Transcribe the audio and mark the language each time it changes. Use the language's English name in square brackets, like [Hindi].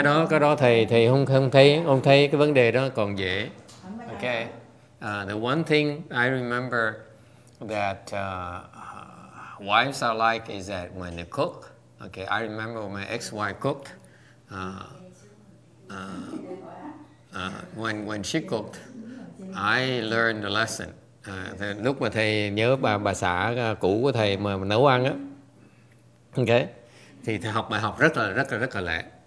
[Vietnamese] Cái đó thầy không thấy, ông thấy cái vấn đề đó còn dễ. [English] Okay, the one thing I remember that wives are like is that when they cook, okay, I remember when my ex-wife cooked, when she cooked, I learned a lesson. [Vietnamese] Lúc mà thầy nhớ bà xã cũ của thầy mà nấu ăn á, okay, thì thầy học bài học rất là lẹ.